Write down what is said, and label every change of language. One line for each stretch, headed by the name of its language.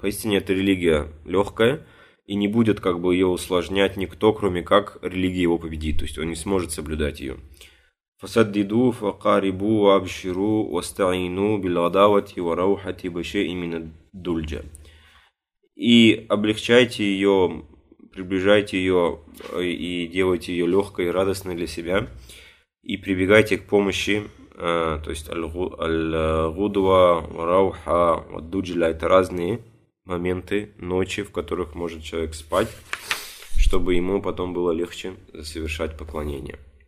Russian: Поистине, эта религия легкая, и не будет как бы ее усложнять никто, кроме как религия его победит, то есть он не сможет соблюдать ее.
Arabic: فسددوا فقاربوا وابشروا واستعينوا بالغداوة وروحة بشيء من الدلجة.
Russian: И облегчайте ее, приближайте ее и делайте ее легкой и радостной для себя. И прибегайте к помощи, то есть аль-гудва, рауха, ад-дуджля, это разные моменты ночи, в которых может человек спать, чтобы ему потом было легче совершать поклонение.